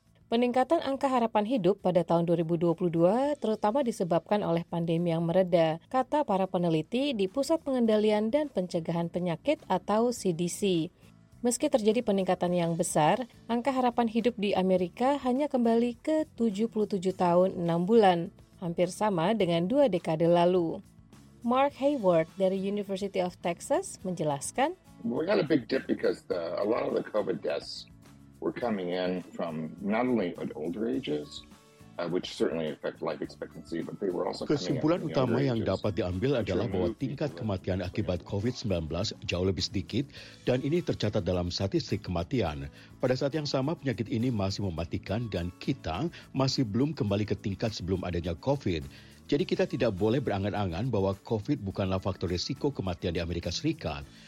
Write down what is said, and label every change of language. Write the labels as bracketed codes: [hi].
[id] Peningkatan angka harapan hidup pada tahun 2022 terutama disebabkan oleh pandemi yang mereda, kata para peneliti di Pusat Pengendalian dan Pencegahan Penyakit atau CDC. Meski terjadi peningkatan yang besar, angka harapan hidup di Amerika hanya kembali ke 77 tahun 6 bulan, hampir sama dengan 2 dekade lalu. Mark Hayward dari University of Texas menjelaskan, [en] "We got a big dip because a lot of the COVID deaths were coming in from not only older ages, which certainly affect life expectancy, but they were also. [id] Kesimpulan utama yang dapat diambil adalah bahwa tingkat kematian akibat COVID-19 jauh lebih sedikit, dan ini tercatat dalam statistik kematian. Pada saat yang sama, penyakit ini masih mematikan dan kita masih belum kembali ke tingkat sebelum adanya COVID. Jadi kita tidak boleh berangan-angan bahwa COVID bukanlah faktor risiko kematian di Amerika Serikat.